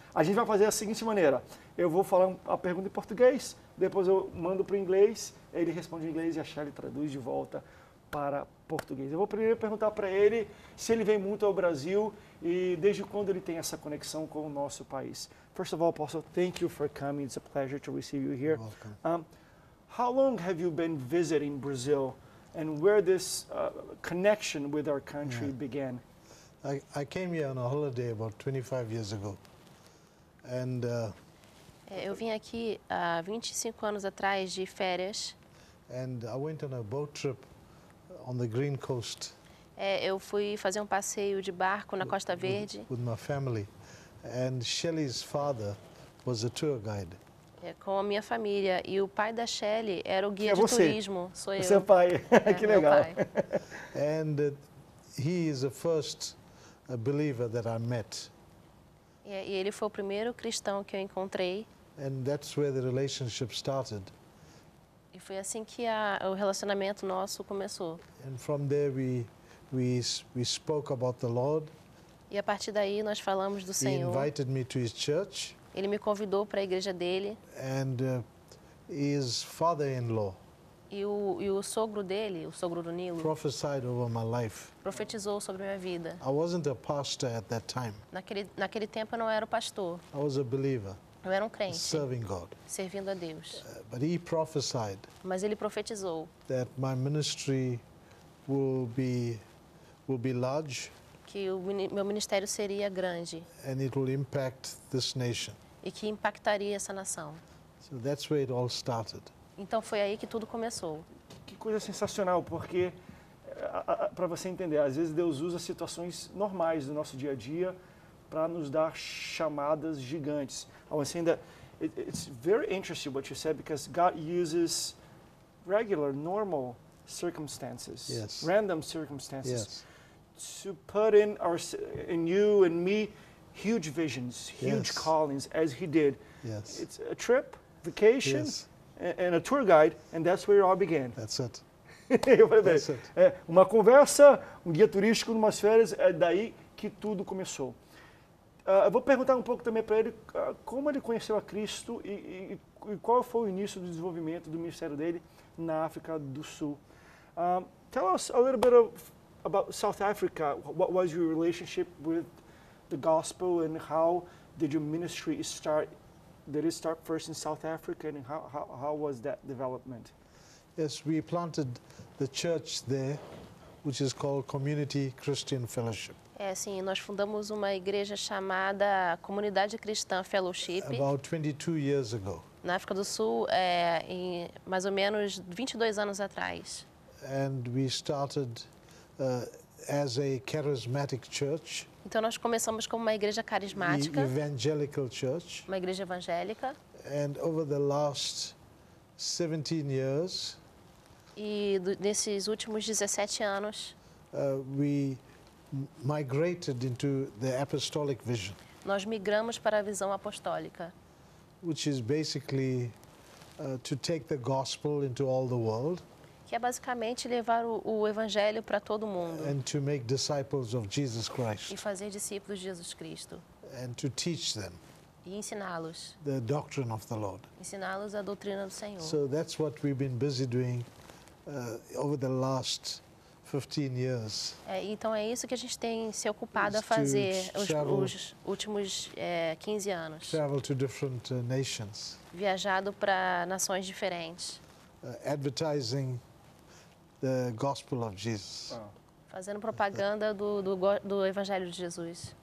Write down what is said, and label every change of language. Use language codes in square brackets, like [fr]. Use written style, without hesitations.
[pt] A gente vai fazer da seguinte maneira. Eu vou falar a pergunta em português, depois eu mando para o inglês, ele responde em inglês e a Shelley traduz de volta para português. Eu vou primeiro perguntar para ele se ele vem muito ao Brasil e desde quando ele tem essa conexão com o nosso país. [en] First of all, Apostle, thank you for coming. It's a pleasure to receive you here. You're welcome. How long have you been visiting Brazil and where this connection with our country began? I came here on a holiday about 25 years ago. And [pt] eu vim aqui há 25 anos atrás de férias. [en] And I went on a boat trip on the Green Coast. [pt] Eu fui fazer um passeio de barco na Costa Verde. [en] With my family. And Shelley's father was a tour guide. [pt] Com a minha família e o pai da Shelley era o guia de turismo. Sou eu. Você é pai. Que legal. [en] And he is the first a believer that I met. [pt] E ele foi o primeiro cristão que eu encontrei. [en] And that's where the relationship started. [pt] E foi assim que o relacionamento nosso começou. [en] And from there we spoke about the Lord. [pt] E a partir daí nós falamos do [en] he [pt] Senhor. [en] He invited me to his church. [pt] Ele me convidou para a igreja dele. [en] And his father-in-law. [pt] E o sogro dele, o sogro do Nilo, [en] prophesied over my life. [pt] Profetizou sobre minha vida. [en] I wasn't a pastor at that time. [pt] Naquele tempo eu não era o pastor. [en] I was a believer. [pt] Eu era um crente. [en] Serving God. [pt] Servindo a Deus. [en] But he prophesied. [pt] Mas ele profetizou. [en] That my ministry will be large. [pt] Que o meu ministério seria grande. [en] And it will impact this nation. [pt] E que impactaria essa nação. [en] So that's where it all started. [pt] Então foi aí que tudo começou. Que coisa sensacional, porque, para você entender, às vezes Deus usa situações normais do nosso dia a dia para nos dar chamadas gigantes. [en] I was saying that it's very interesting what you said, because God uses regular, normal circumstances, yes, random circumstances, yes, to put in you and me huge visions, huge, yes, callings, as he did. Yes. It's a trip, vacation. Yes. And a tour guide, and that's where it all began. That's it. That's it. [pt] Uma conversa, um guia turístico, numas férias, é daí que tudo começou. Eu vou perguntar um pouco também para ele como ele conheceu a Cristo e qual foi o início do desenvolvimento do ministério dele na África do Sul. [en] Tell us a little bit about South Africa. What was your relationship with the gospel and how did your ministry start? Did it start first in South Africa, and how was that development? Yes, we planted the church there, which is called Community Christian Fellowship. [pt] É, sim, nós fundamos uma igreja chamada Comunidade Cristã Fellowship. [en] About 22 years ago. [pt] Na África do Sul, em mais ou menos 22 anos atrás. [en] And we started as a charismatic church. [pt] Então nós começamos como uma igreja carismática, [en] evangelical church, [pt] uma igreja evangélica. [en] And over the last 17 years, [pt] e nesses últimos 17 anos, [en] we migrated into the apostolic vision. [pt] Nós migramos para a visão apostólica, [en] which is basically to take the gospel into all the world. [pt] Que é basicamente levar o evangelho para todo mundo. [en] And to make disciples of Jesus Christ. [pt] E fazer discípulos de Jesus Cristo. [en] And to teach them. [pt] E ensiná-los. [en] The doctrine of the Lord. [pt] Ensiná-los a doutrina do Senhor. [en] So that's what we've been busy doing over the last 15 years. [pt] Então é isso que a gente tem se ocupado a fazer os últimos 15 anos. [en] Travel to different nations. [pt] Viajado para nações diferentes. [en] Advertising the gospel of Jesus. [pt] Fazendo propaganda do Evangelho de Jesus.